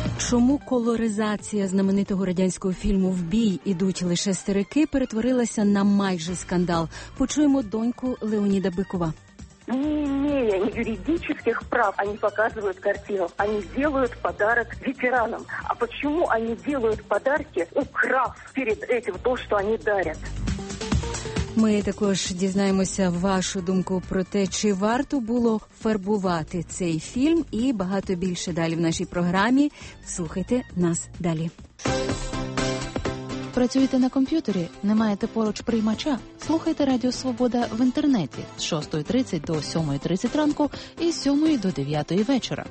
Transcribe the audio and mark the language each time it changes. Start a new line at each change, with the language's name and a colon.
Ukrainian: Чому колоризація знаменитого радянського фільму «Вбій, ідуть лише старики» перетворилася на майже скандал? Почуємо доньку Леоніда Бикова.
Russian: Не имея юридических прав, они показывают картину, они делают подарок ветеранам. А почему они делают подарки, украв перед этим то, что они дарят?
Ukrainian: Ми також дізнаємося вашу думку про те, чи варто було фарбувати цей фільм, і багато більше далі в нашій програмі. Слухайте нас далі. Працюєте на комп'ютері? Не маєте поруч приймача? Слухайте Радіо Свобода в інтернеті з 6:30 до 7:30 ранку і з 7:00 до 9:00 вечора.